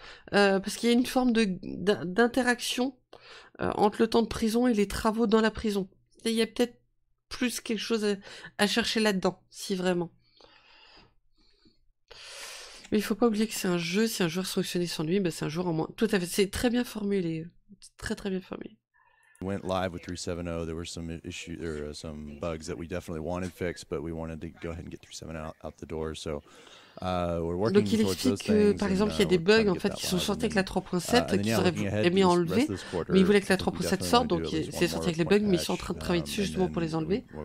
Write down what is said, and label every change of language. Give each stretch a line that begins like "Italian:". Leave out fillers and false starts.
French: Parce qu'il y a une forme d'interaction entre le temps de prison et les travaux dans la prison. Et il y a peut-être plus quelque chose à chercher là-dedans, si vraiment. Mais il ne faut pas oublier que c'est un jeu, si un joueur se fonctionnait sans lui, ben c'est un joueur en moins. Tout à fait, c'est très bien formulé. Très très bien formulé.
English: Went live with 3.7.0. There were some issues or some bugs that we definitely wanted fixed, but we wanted to go ahead and get 3.7.0 out the door. So we're working.
French: Donc il explique que par exemple il y a des bugs en fait qui sont sortis avec la 3.7 qu'ils auraient aimé enlever, mais ils voulaient que la 3.7 sorte, donc c'est sorti avec les bugs, mais ils sont en train de travailler dessus justement pour les enlever.